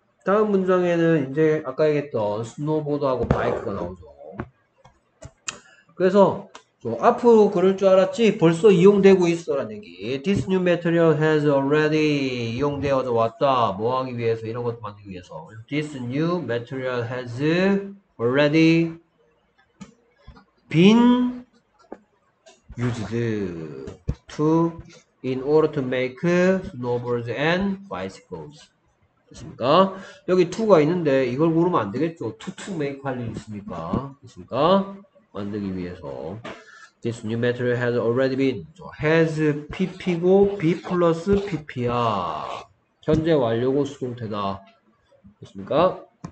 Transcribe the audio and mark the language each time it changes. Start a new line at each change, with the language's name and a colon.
Korean: 다음 문장에는 이제 아까 얘기했던 스노보드하고 바이크가 나오죠. 그래서 저 앞으로 그럴 줄 알았지? 벌써 이용되고 있어라는 얘기.
English: This new material has already
Korean: 이용되어 왔다. 뭐 하기 위해서? 이런 것도 만들기 위해서.
English: This new material has already been used to in order to make snowboards and bicycles.
Korean: 됐습니까? 여기 to가 있는데 이걸 고르면 안 되겠죠? To make 할일 있습니까? 됐습니까? 만들기 위해서.
English: This new material has already been. has PP고 be plus PP야.
Korean: 현재 완료고 수동태다. 됐습니까?